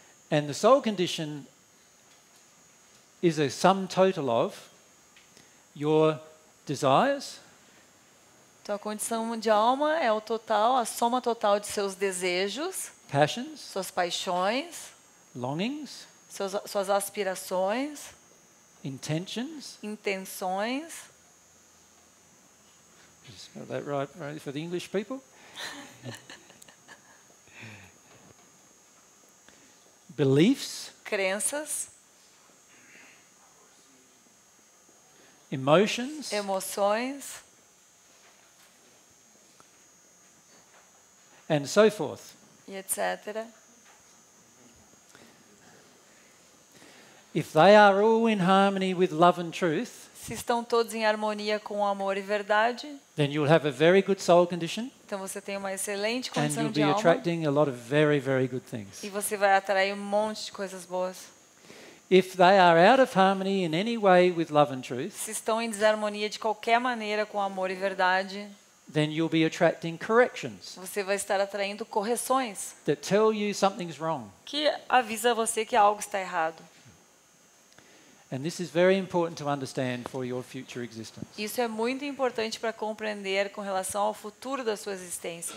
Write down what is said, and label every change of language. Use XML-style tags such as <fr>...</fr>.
<en>And the soul condition is a sum total of your desires.</en> <pt>Sua condição de alma é o total, a soma total de seus desejos,</pt> <en>passions,</en> <pt>suas paixões,</pt> <en>longings,</en> <pt>suas aspirações,</pt> <en>intentions,</en> <pt>intenções.</pt> <en>Did you spell that right, right for the English people? Beliefs,</en> <pt>crenças,</pt> <en>emotions,</en> <pt>emoções.</pt> <en>And so forth.</en> <pt>E etc.</pt> <en>If they are all in harmony with love and truth,</en> <pt>se estão todos em harmonia com amor e verdade,</pt> <en>then you'll have a very good soul condition.</en> <pt>Então você tem uma excelente condição de alma.</pt> <en>And you'll be attracting a lot of very, very good things.</en> <pt>E você vai atrair um monte de coisas boas.</pt> <en>If they are out of harmony in any way with love and truth,</en> <pt>se estão em desarmonia de qualquer maneira com amor e verdade,</pt> <en>then you'll be attracting corrections.</en> <pt>Você vai estar atraindo correções.</pt> <en>That tell you something's wrong.</en> <pt>Que avisa você que algo está errado.</pt> <en>And this is very important to understand for your future existence.</en> <pt>Isso é muito importante para compreender com relação ao futuro da sua existência.</pt>